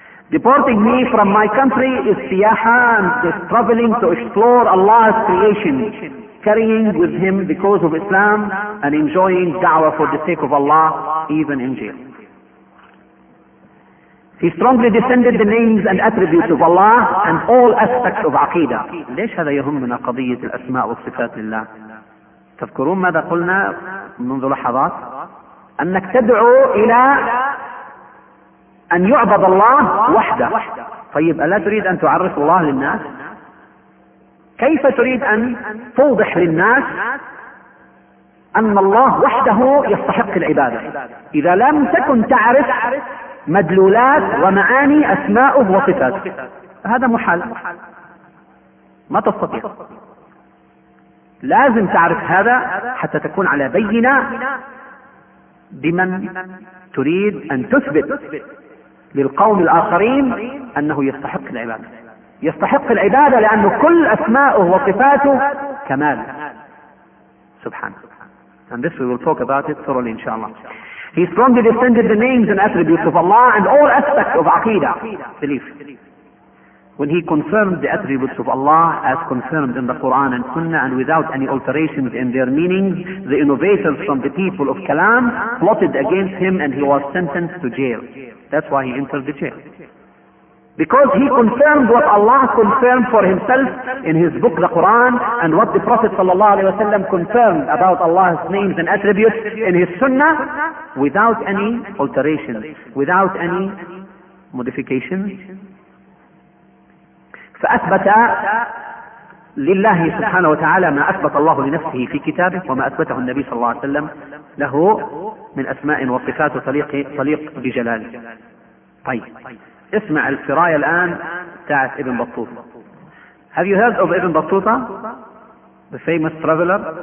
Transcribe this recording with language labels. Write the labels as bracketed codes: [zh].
[en] Deporting me from my country is siyaha, and is traveling to explore Allah's creation, carrying with him the cause of Islam and enjoying da'wah for the sake of Allah, even in jail. He strongly defended the names and attributes of Allah and all aspects of aqidah. [ar] ليش هذا يهمنا قضية الأسماء والصفات لله؟ تذكرون ماذا قلنا منذ لحظات؟ أنك تدعو إلى أن يعبد الله وحده. طيب ألا تريد أن تعرف الله للناس؟ كيف تريد أن توضح للناس أن الله وحده يستحق العبادة إذا لم تكن تعرف مدلولات ومعاني أسماؤه وصفاته؟ هذا محال، ما تستطيع. لازم تعرف هذا حتى تكون على بينة بمن تريد أن تثبت للقوم الآخرين أنه يستحق العبادة. يستحق العبادة لأن كل أسماؤه وصفاته كمال سبحانه. [en] And this we will talk about it thoroughly إن شاء الله. He strongly defended the names and attributes of Allah and all aspects of aqidah, belief. When he confirmed the attributes of Allah as confirmed in the Quran and Sunnah and without any alterations in their meanings, the innovators from the people of Kalam plotted against him and he was sentenced to jail. That's why he entered the jail. Because he confirmed what Allah confirmed for himself in his book, the Quran, and what the Prophet sallallahu alaihi wasallam confirmed about Allah's names and attributes in his Sunnah without any alterations, without any modifications. [ar] فأثبت لله سبحانه وتعالى ما أثبت الله لنفسه في كتابه وما أثبته النبي صلى الله عليه وسلم له من أسماء وصفات تليق بجلاله. طيب اسمع السراية الآن بتاعت ابن بطوطة. [en] Have you heard of ابن بطوطة؟ The famous traveler.